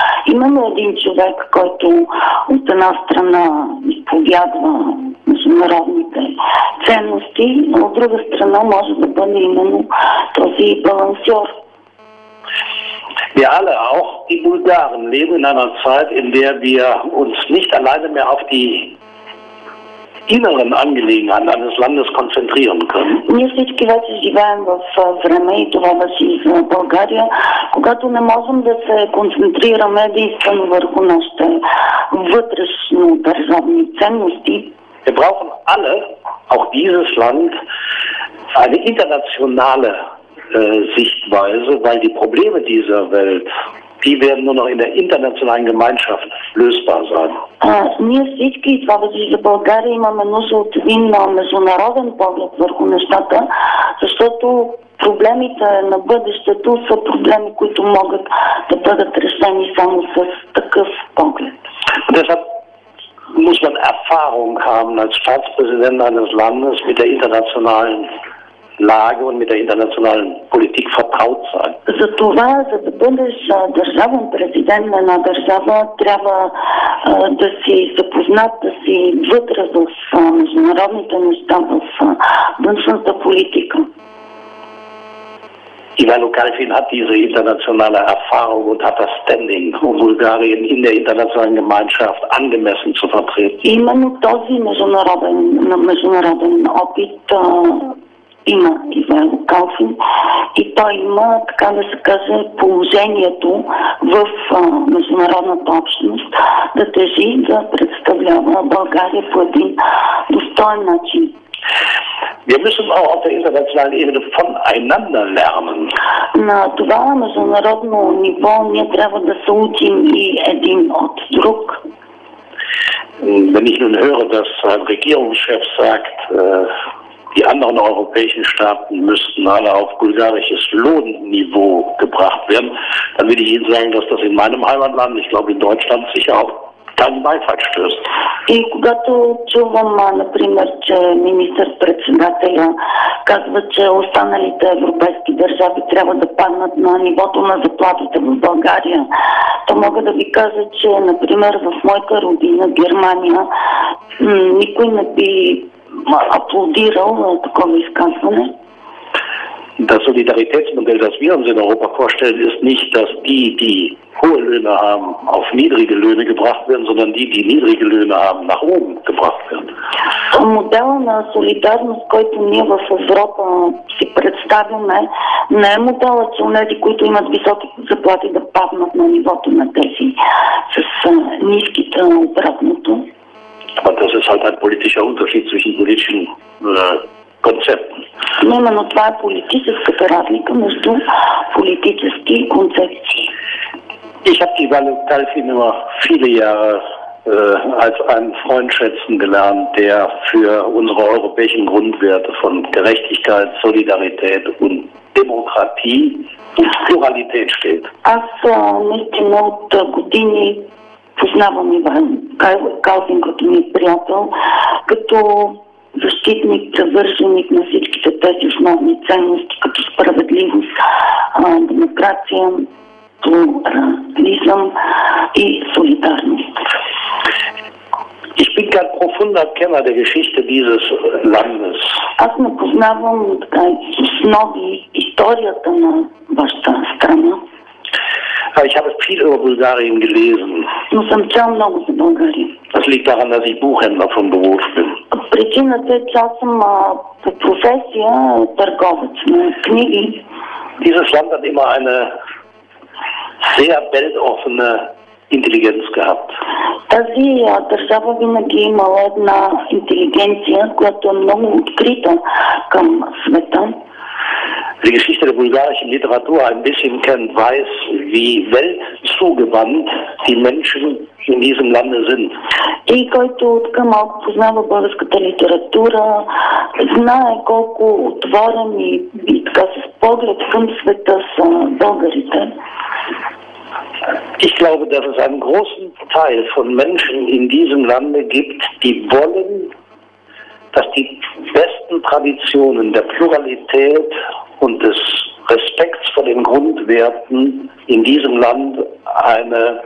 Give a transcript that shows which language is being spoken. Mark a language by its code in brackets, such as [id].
[bg] Имаме един човек, който от една страна изповядва международните ценности, но от друга страна може да бъде именно този балансьор. [de] Wir alle, auch die Bulgaren, leben in einer Zeit, in der wir uns nicht alleine mehr auf die inneren Angelegenheiten eines Landes konzentrieren können. Wir [bg] всички вече живеем в време и това беше в България, когато не можем да се концентрираме единствено върху нашите вътрешно държавни ценности. [de] Wir brauchen alle, auch dieses Land, eine internationale Sichtweise, weil die Probleme dieser Welt, die werden nur noch in der internationalen Gemeinschaft lösbar sein. Wir [bg] всички, и това беше за България, имаме нужда от един международен поглед върху нещата, защото проблемите на бъдещето са проблеми, които могат да бъдат решени само с такъв поглед. [de] Deshalb muss man Erfahrung haben als Staatspräsident eines Landes mit der internationalen Lage und mit der internationalen Politik vertraut sein. [bg] За това, за да бъдеш държавен президент на една държава, трябва да си запознат, да си вътре в международните неща, в външната политика. [de] Ivan Lukashin hat diese internationale Erfahrung und hat das Standing, um Bulgarien in der internationalen Gemeinschaft angemessen zu vertreten. [bg] Именно този международен опит има Иван Калфин и той има, така да се каже, положението в международната общност да тежи да представлява България по един достоен начин. [de] Wir müssen auch auf der internationalen Ebene voneinander lernen. [bg] На това международно ниво ние трябва да се учим и един от друг. [de] Wenn ich nun höre, dass ein Regierungschef sagt, die anderen europäischen Staaten müssten alle auf bulgarisches Lohnniveau gebracht werden, dann will ich Ihnen sagen, dass das in meinem Heimatland, ich glaube in Deutschland, sicher auch keinen Beifall stößt. [bg] И когато чувам, например, че министър-председателя казва, че останалите европейски държави трябва да паднат на нивото на заплатите в България, то мога да ви кажа, че, например, в моята родина, Германия, никой не би аплодирал на такова изказване. [de] Das Solidaritätsmodell, das wir uns in Europa vorstellen, ist nicht, dass die, die hohe Löhne haben, auf niedrige Löhne gebracht werden, sondern die, die niedrige Löhne haben, nach oben gebracht werden. [bg] Модел на солидарност, който ние в Европа си представяме, не е моделът, че онези, които имат високи заплати, да паднат на нивото на тези с ниските на обратното. [de] Aber das ist halt ein politischer Unterschied zwischen politischen Konzepten. [bg] Но именно това е политическата разлика между политически концепции. [de] Ich habe die Ivan Lukashin über viele Jahre als einen Freund schätzen gelernt, der für unsere europäischen Grundwerte von Gerechtigkeit, Solidarität und Demokratie und Pluralität steht. [bg] Аз наистина от години познавам Иван Калфин като ми приятел, като защитник, завършеник на всичките тези основни ценности, като справедливост, демокрация, плурализъм и солидарност. [de] Ich bin kein profunder Kenner der Geschichte dieses Landes. [bg] Аз не познавам така основи историята на вашата страна. [de] Ich habe viel über Bulgarien gelesen. [bg] Но съм чел много за България. [de] Das liegt daran, dass ich Buchhändler von Beruf bin. [bg] Причината е, че аз съм по професия търговец на книги. [de] Dieses Land hat immer eine sehr weltoffene Intelligenz gehabt. [bg] Тази държава винаги имала една интелигенция, която е много открита към света. [de] Die Geschichte der bulgarischen Literatur ein bisschen kennt, weiß, wie weltzugewandt die Menschen in diesem Lande sind. [bg] И който така малко познава българската литература, знае колко отворен и така с поглед към света са българите. [de] Ich glaube, dass es einen großen Teil von Menschen in diesem Lande gibt, die wollen, dass die besten Traditionen der Pluralität und des Respekts vor den Grundwerten in diesem Land eine